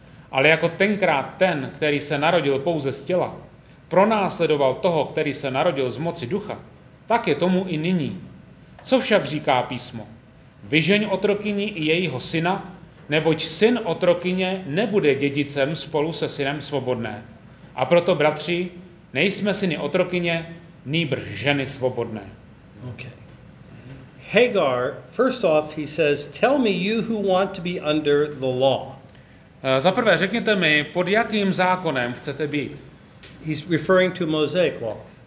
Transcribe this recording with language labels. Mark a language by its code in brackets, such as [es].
[cs] Ale jako tenkrát ten, který se narodil pouze z těla, pronásledoval toho, který se narodil z moci ducha, tak je tomu i nyní. Co však říká písmo? Vyžeň otrokyni i jejího syna, neboť syn otrokyně nebude dědicem spolu se synem svobodné. A proto, bratři, nejsme syny otrokyně, nýbrž ženy svobodné. [en] Okay. Hagar, first off, he says, tell me you who want to be under the law. [cs] Za prvé, řekněte mi, pod jakým zákonem chcete být? [en] He's referring to Mosaic law.